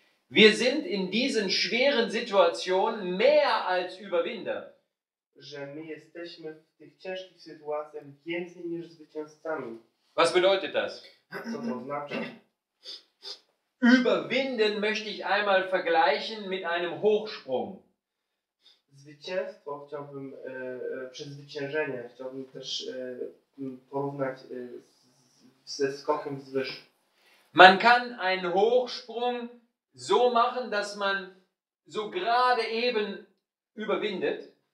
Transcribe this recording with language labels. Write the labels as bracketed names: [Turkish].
[German] Wir sind in diesen schweren Situationen mehr als Überwinder. [Polish] Że my jesteśmy w tych ciężkich sytuacjach więcej niż zwycięzcami. [German] Was bedeutet das? [Polish] Co to znaczy? [German] Überwinden möchte ich einmal vergleichen mit einem Hochsprung. [Polish] Zwycięstwo chciałbym, przezwyciężenie chciałbym też porównać ze skokiem z wyż. [German] Man kann einen Hochsprung so machen, dass man so gerade eben überwindet.